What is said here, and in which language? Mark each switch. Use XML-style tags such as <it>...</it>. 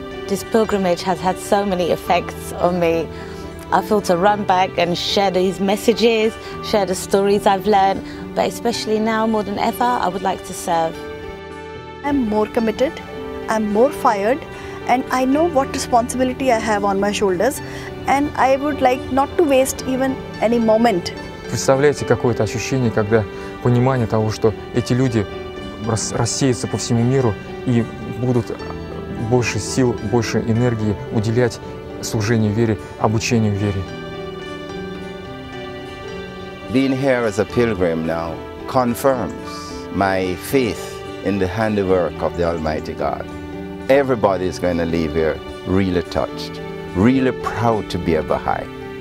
<en>This pilgrimage has had so many effects on me. I feel to run back and share these messages, share the stories I've learned, but especially now more than ever, I would like to serve. I'm more committed, I'm more fired, and I know what responsibility I have on my shoulders, and I would like not to waste even any moment.</en> <ru>Представляете, какое это ощущение, когда понимание того, что эти люди рассеются по всему миру и будут больше сил, больше энергии уделять служению вере, обучению вере.</ru> <en>Being here as a pilgrim now confirms my faith in the handiwork of the Almighty God. Everybody is going to leave here really touched, really proud to be a Baha'i.</en>